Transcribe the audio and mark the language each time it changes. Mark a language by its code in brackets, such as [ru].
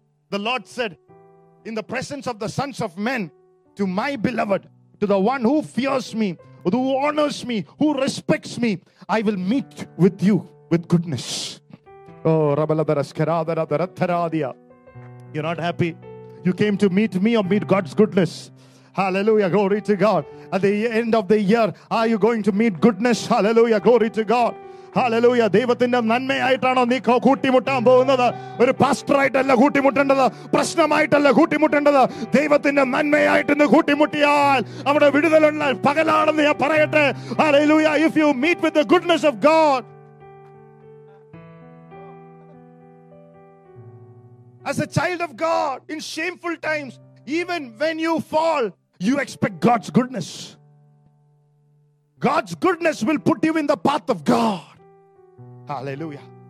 [en] The Lord said, in the presence of the sons of men, to my beloved, to the one who fears me, who honors me, who respects me, I will meet with you with goodness. Oh, Rabaladaraskaradaradaradaradia. You're not happy. You came to meet me or meet God's goodness? Hallelujah. Glory to God. At the end of the year, are you going to meet goodness? Hallelujah. Glory to God. Hallelujah. [ml] ദൈവത്തിന്റെ നന്മയായിട്ടാണോ നീ കൂട്ടിമുട്ടാൻ പോകുന്നത്? ഒരു പാസ്റ്ററായിട്ടല്ല കൂട്ടിമുട്ടേണ്ടത്, പ്രശ്നമായിട്ടല്ല കൂട്ടിമുട്ടേണ്ടത്, ദൈവത്തിന്റെ നന്മയായിട്ട് കൂട്ടിമുട്ടിയാൽ അവിടെ വിടുതലുള്ള പകലാണെന്ന് ഞാൻ പറയട്ടെ. [en] Hallelujah. If you meet with the goodness of God, as a child of God, in shameful times, even when you fall, you expect God's goodness. God's goodness will put you in the path of God. Hallelujah.